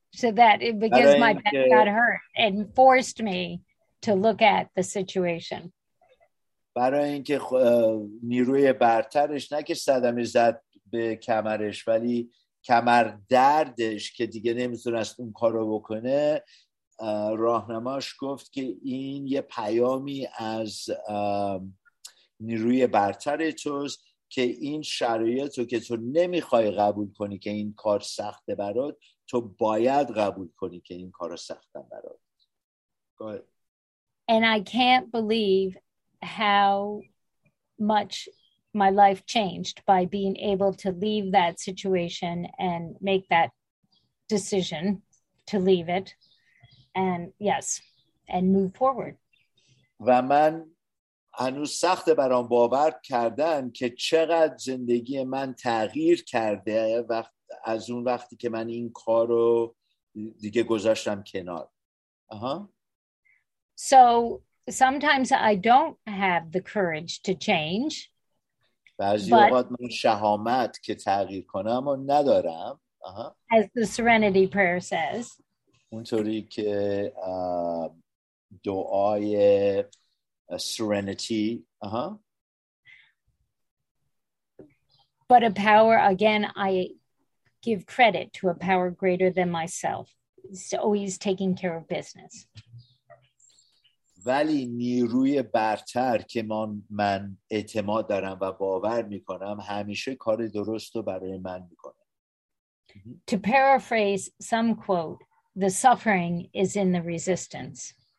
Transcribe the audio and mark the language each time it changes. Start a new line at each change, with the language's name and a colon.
English: So that it, because my back got hurt and forced me to look at the situation.
Persian: برای اینکه نیروی برترش نه که صدمه زد به کمرش، ولی کمر دردش که دیگه نمیتونست اون کارو بکنه، راهنماش گفت که این یه پیامی از نیروی برتر توست که این شرایطو که تو نمیخوای قبول کنی که این کار سخته برات، تو باید قبول کنی که این کار سخته برات.
English: And I can't believe how much my life changed by being able to leave that situation and make that decision to leave it and yes and move forward.
Persian: و من هنوز سخت برام باور کردن که چقدر زندگی من تغییر کرده وقت از اون وقتی که من این کارو دیگه گذاشتم کنار.
English: So sometimes I don't have the courage to change.
Persian: بعضی وقت من شهامت که تغییر کنم و ندارم.
English: As the serenity prayer says.
Persian: اونطوری که دعای serenity.
English: But a power, again, I give credit to a power greater than myself. It's always taking care of business.
Persian: ولی نیروی برتر که من اعتماد دارم و باور میکنم همیشه کار درست رو برای من میکنه.
English: To paraphrase some quote, the suffering is in the resistance.